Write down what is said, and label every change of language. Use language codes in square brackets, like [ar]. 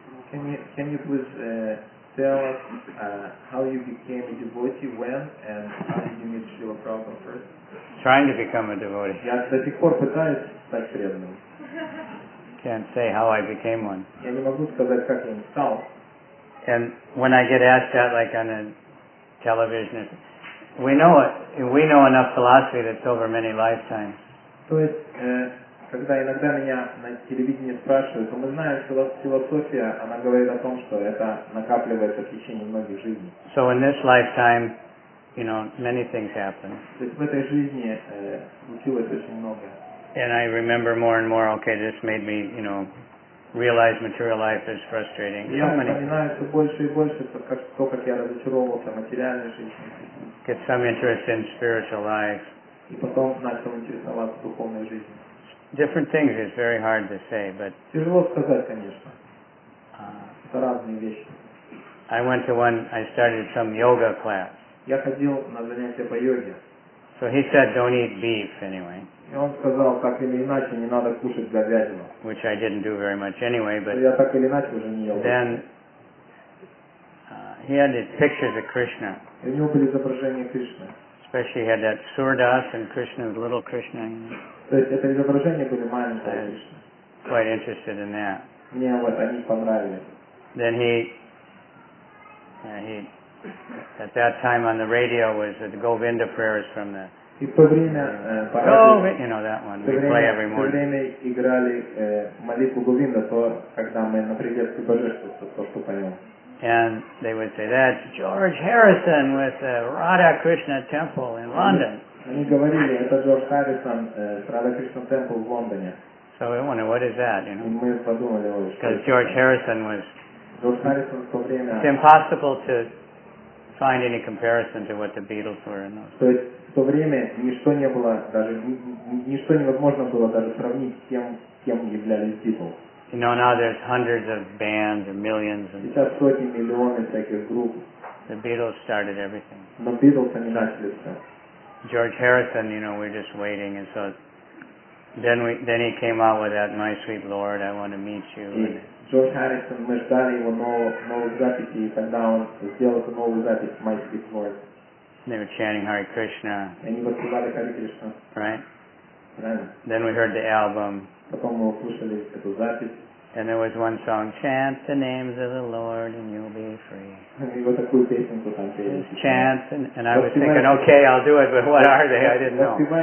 [en] Can you please tell us how you became a devotee, when, and how did you meet Srila Prabhupada first? Trying to become a devotee. [ru] Я до сих пор пытаюсь стать преданным. [en] Can't say how I became one. [ru] Я не могу сказать, как я стал. [en] And when I get asked that, like on a television, We know enough philosophy that's over many lifetimes. [ru] То есть, когда иногда меня на телевидении спрашивают, то мы знаем, что философия, она говорит о том, что это накапливается в течение многих жизней. [en] So in this lifetime, you know, many things happen. [ru] То есть в этой жизни случилось очень много. [en] And I remember more and more, okay, this made me, you know, realize material life is frustrating. [ru] Я вспоминаю все больше и больше, то, как я разочаровывался в материальной жизни. [en] Get some interest in spiritual life. [ru] И потом начал интересоваться духовной жизнью. [en] Different things is very hard to say, but [ru] тяжело сказать, конечно. Это разные вещи. [en] I started some yoga class. [ru] Я ходил на занятия по йоге. [en] So he said, don't eat beef anyway. [ru] И он сказал, так или иначе, не надо кушать говядину. [en] Which I didn't do very much anyway, but [ru] я так или иначе уже не ел. [en] Then he had his pictures of Krishna. [ru] У него были изображения Кришны. [en] Especially he had that Surdas and Krishna's little Krishna. [ru] То есть это изображения были маленькие Кришны. [en] Quite interested in that. [ru] Мне вот они понравились. [en] Then he at that time on the radio was the Govinda prayers from the. [ru] И по время [en] you know that one. We play every morning. [ru] По время играли молитву Говинда, то когда мы на приветствии божественства, то что поем. [en] And they would say, that's George Harrison with the Radha Krishna Temple in London. [ru] Они говорили, это Джордж Харрисон с Radha Krishna Temple в Лондоне. [en] So we wonder, what is that, you know? [ru] Мы подумали, [en] because George Harrison was... [ru] George Harrison в то время... [en] It's impossible to find any comparison to what the Beatles were in those. [ru] То есть в то время ничто не было даже ничто невозможно было даже сравнить с тем, кем являлись Beatles. [en] You know, now there's hundreds of bands or millions and [ru] сейчас сотни миллионы таких групп. [en] The Beatles started everything. [ru] Но Beatles они начали все. [en] George Harrison, you know, we're just waiting, and so then he came out with that "My Sweet Lord, I Want to Meet You." [ru] George Harrison, мы ждали его новую запись, и тогда он сделал эту новую запись "My Sweet Lord." [en] They were chanting Hare Krishna. [ru] Они воспевали Харе Кришна. [en] Right. Right. Then we heard the album. [ru] Потом мы услышали эту запись. [en] And there was one song, chant the names of the Lord and you'll be free. Chant, and I was thinking, okay, I'll do it, but what are they? I didn't know.